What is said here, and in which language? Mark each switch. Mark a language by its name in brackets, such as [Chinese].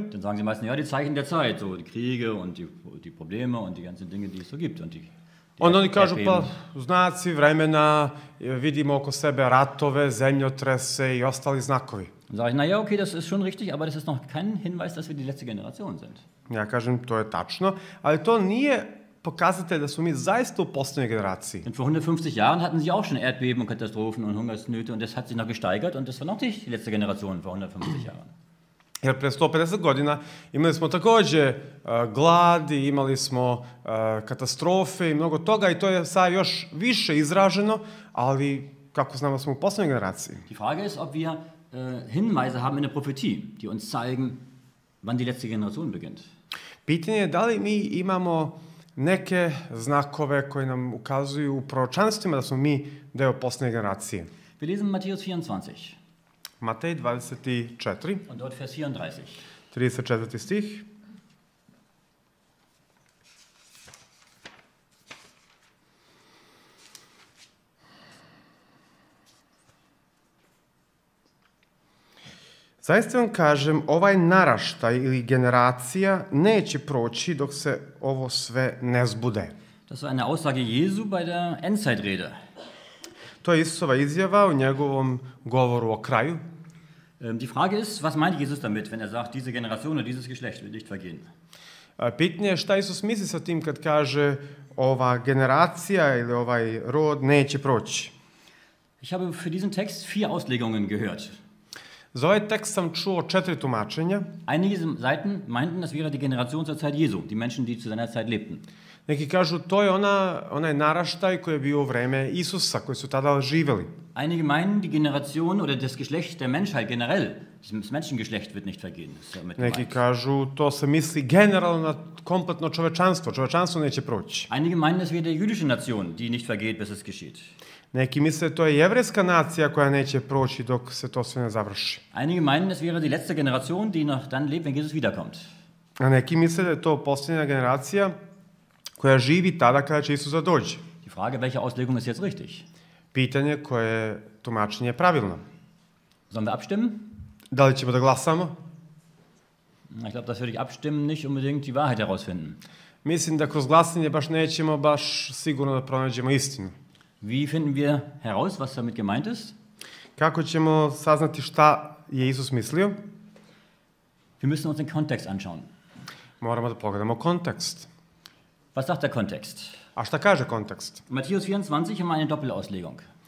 [German] Dann sagen sie meistens, ja, die Zeichen der Zeit, so die Kriege und die Probleme und die ganzen Dinge, die es so gibt. Und [Serbian] oni kažu, pa znaci vremena, vidimo oko sebe ratove, zemljotrese i ostali znakovi. [German] Dann sage ich, na ja, okay, das ist schon richtig, aber das ist noch kein Hinweis, dass wir die letzte Generation sind. [Serbian] Ja kažem, to je tačno, ali to nije pokazate da smo mi zaista u poslednjoj generaciji. [German] Und vor 150 Jahren hatten sie auch schon Erdbeben und Katastrophen und Hungersnöte und das hat sich noch gesteigert und das war noch nicht die letzte Generation vor 150 Jahren. [Serbian] Jer pre 150 godina imali smo takođe glad i imali smo katastrofe i mnogo toga i to je sad još više izraženo, ali kako znamo smo u poslednjoj generaciji? [German] Die Frage ist, ob wir Hinweise haben in der Prophetie, die uns zeigen, wann die letzte Generation beginnt. [Serbian] Pitanje je da li mi imamo neke znakove koje nam ukazuju u proročanstvima da smo mi deo poslednje generacije. [German] Wir lesen Matthäus 24. [Serbian] Matej 24. [German] Und dort Vers 34. [Serbian] 34. stih. Zaista vam kažem, ovaj naraštaj ili generacija neće proći dok se ovo sve ne zbude. [German] Das war eine Aussage Jesu bei der Endzeitrede. [Serbian] To je Isusova izjava u njegovom govoru o kraju. [German] Die Frage ist, was meint Jesus damit, wenn er sagt, diese Generation oder dieses Geschlecht wird nicht vergehen? [Serbian] pitanje je šta Isus misli sa tim kad kaže ova generacija ili ovaj rod neće proći. [German] Ich habe für diesen Text vier Auslegungen gehört. [Serbian] Za ovaj tekst sam čuo četiri tumačenja. [German] Einige Seiten meinten, das wäre die Generation zur Zeit Jesu, die Menschen, die zu seiner Zeit lebten. [Serbian] Neki kažu, to je onaj naraštaj koji je bio u vreme Isusa, koji su tada živjeli. [German] Einige meinen, die Generation oder das Geschlecht der Menschheit generell, das Menschengeschlecht wird nicht vergehen. [Serbian] Neki kažu, to se misli generalno na kompletno čovečanstvo, čovečanstvo neće proći. [German] Einige meinen, das wäre die jüdische Nation, die nicht vergeht, bis es geschieht. [Serbian] Neki misle, to je jevrejska nacija koja neće proći dok se to sve ne završi. [German] Einige meinen, das wäre die letzte Generation, die noch dann lebt, wenn Jesus wiederkommt. [Serbian] A neki misle, da je to posljednja generacija koja živi tada kada će Isusa dođe. [German] Die Frage, welche Auslegung ist jetzt richtig? [Serbian] Pitanje koje tumačenje je pravilno. [German] Sollen wir abstimmen? [Serbian] Da li ćemo da glasamo? [German] Ich glaube, das würde ich abstimmen, nicht unbedingt die Wahrheit herausfinden. [Serbian] Mislim da kroz glasanje baš nećemo baš sigurno da pronađemo istinu. [German] Wie finden wir heraus, was damit gemeint ist? [Serbian] Kako ćemo saznati šta je Isus mislio? [German] Wir müssen uns den Kontext anschauen. [Serbian] Moramo da pogledamo kontekst. [German] Was sagt der Kontext? [Serbian] A šta kaže kontekst? [German] Matthäus 24 haben eine Doppelauslegung.